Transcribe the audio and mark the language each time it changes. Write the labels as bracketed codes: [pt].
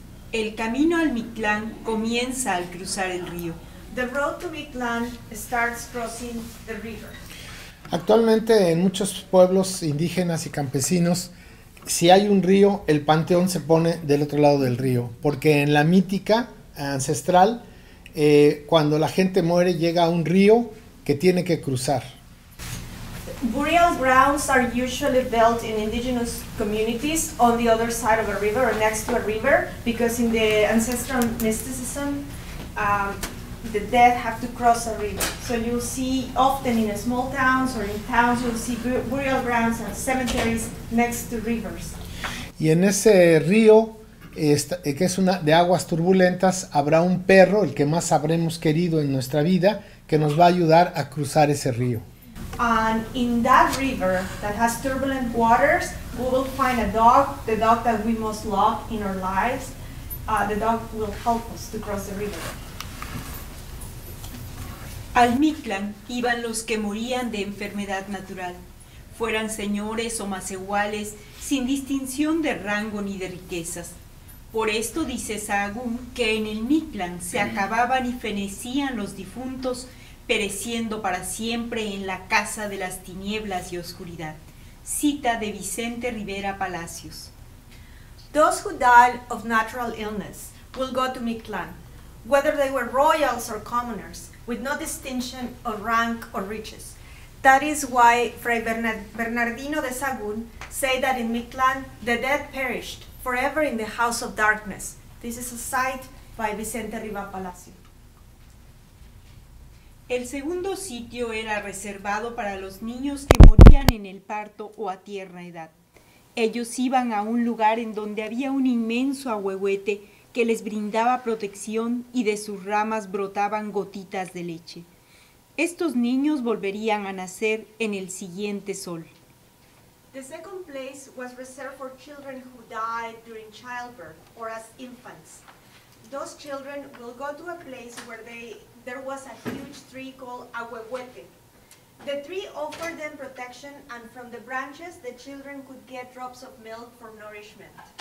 [es] El camino al Mictlán comienza al cruzar el río. [en] The road to Mictlán starts crossing the river. [es] Actualmente en muchos pueblos indígenas y campesinos, si hay un río, el panteón se pone del otro lado del río, porque en la mítica ancestral, cuando la gente muere, llega a un río que tiene que cruzar. [en] Burial grounds are usually built in indigenous communities on the other side of a river or next to a river, because in the ancestral mysticism, the dead have to cross a river. So you'll see often in small towns or in towns, you'll see burial grounds and cemeteries next to rivers. [es] Y en ese río, que es una de aguas turbulentas, habrá un perro, el que más habremos querido en nuestra vida, que nos va a ayudar a cruzar ese río. [en] And in that river that has turbulent waters, we will find a dog, the dog that we most love in our lives. The dog will help us to cross the river. [es] Al Mictlán iban los que morían de enfermedad natural, fueran señores o macehuales, sin distinción de rango ni de riquezas. Por esto dice Sahagún que en el Mictlán se acababan y fenecían los difuntos, pereciendo para siempre en la casa de las tinieblas y oscuridad. Cita de Vicente Rivera Palacios. [en] Those who died of natural illness will go to Mictlán, whether they were royals or commoners, with no distinction of rank or riches. That is why Fray Bernardino de Sahagún say that in Mictlán, the dead perished forever in the house of darkness. This is a cite by Vicente Riva Palacio. [es] El segundo sitio era reservado para los niños que morían en el parto o a tierna edad. Ellos iban a un lugar en donde había un inmenso ahuehuete que les brindaba protección y de sus ramas brotaban gotitas de leche. Estos niños volverían a nacer en el siguiente sol. [en] The second place was reserved for children who died during childbirth or as infants. Those children will go to a place where there was a huge tree called ahuehuete. The tree offered them protection, and from the branches, the children could get drops of milk for nourishment.